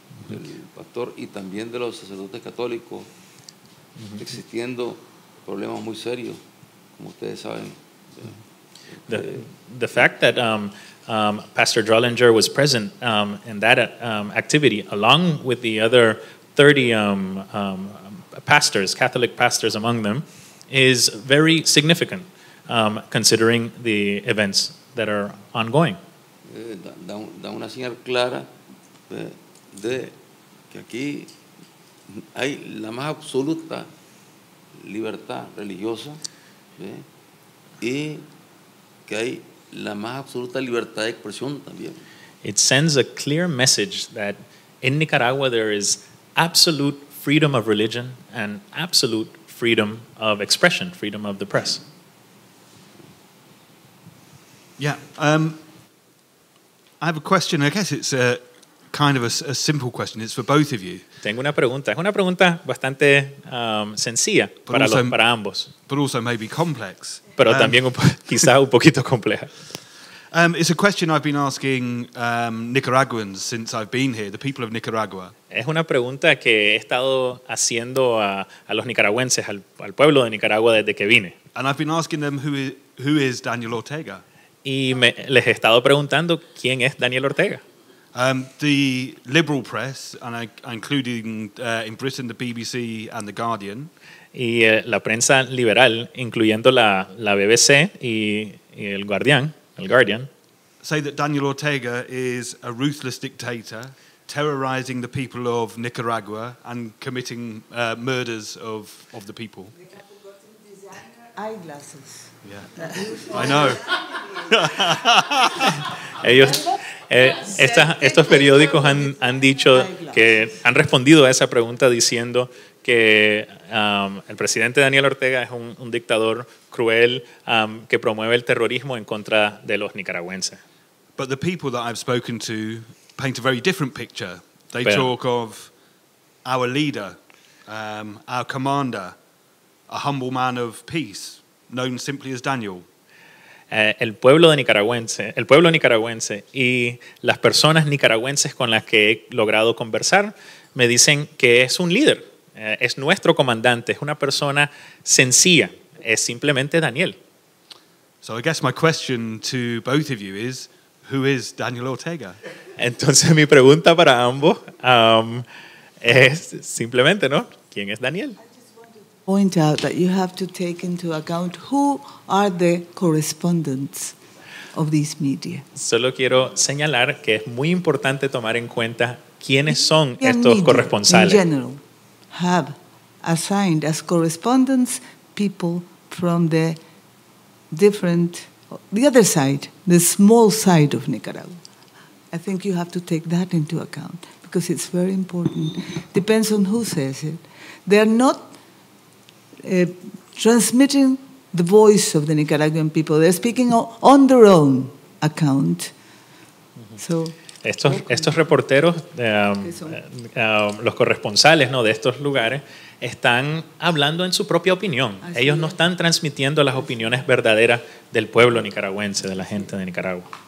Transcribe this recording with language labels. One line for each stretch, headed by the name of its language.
Spanish: Del pastor y también de los sacerdotes católicos, mm-hmm, existiendo problemas muy serios, como ustedes saben.
English: The fact that Pastor Drollinger was present in that activity, along with the other 30 pastors, Catholic pastors among them, is very significant considering the events that are ongoing.
Spanish: Da una señal clara de que aquí hay la más absoluta libertad religiosa. Y que hay la más absoluta libertad de expresión también.
English: It sends a clear message that in Nicaragua there is absolute freedom of religion and absolute freedom of expression, freedom of the press. Yeah, I have a question. I guess it's kind of a simple question. It's for both of you.
Spanish: Tengo una pregunta. Es una pregunta bastante sencilla para ambos.
English: But also maybe complex.
Spanish: Pero también quizá un poquito compleja.
English: It's a question I've been asking Nicaraguans since I've been here, the people of Nicaragua.
Spanish: Es una pregunta que he estado haciendo a los nicaragüenses, al pueblo de Nicaragua desde que vine.
English: And I've been asking them who is Daniel Ortega.
Spanish: Y me les he estado preguntando quién es Daniel Ortega.
English: The liberal press, and including in Britain the BBC and the Guardian.
Spanish: Y la prensa liberal, incluyendo la BBC y el Guardian.
English: Say that Daniel Ortega is a ruthless dictator, terrorizing the people of Nicaragua and committing murders of the people. We have forgotten designer eyeglasses. Yeah, I know.
Spanish: Ellos Estos periódicos han dicho que han respondido a esa pregunta diciendo que el presidente Daniel Ortega es un dictador cruel que promueve el terrorismo en contra de los nicaragüenses.
English: But the people that I've spoken to paint a very different picture. They talk of our leader, our commander, a humble man of peace, known simply as Daniel.
Spanish: El pueblo nicaragüense y las personas nicaragüenses con las que he logrado conversar me dicen que es un líder, es nuestro comandante, es una persona sencilla, es simplemente Daniel.
English: So I guess my question to both of you is, who is Daniel Ortega?
Spanish: Entonces mi pregunta para ambos es simplemente, ¿no? ¿Quién es Daniel?
English: Point out that you have to take into account who are the correspondents of these media.
Spanish: Solo quiero señalar que es muy importante tomar en cuenta quiénes son estos corresponsales.
English: In general, have assigned as correspondents people from the different, the other side, the small side of Nicaragua. I think you have to take that into account because it's very important. Depends on who says it. They are not transmitting the voice of the Nicaraguan people. They're speaking on their own account. So,
Spanish: estos reporteros, los corresponsales, ¿no?, de estos lugares, están hablando en su propia opinión. Ellos no están transmitiendo las opiniones verdaderas del pueblo nicaragüense, de la gente de Nicaragua.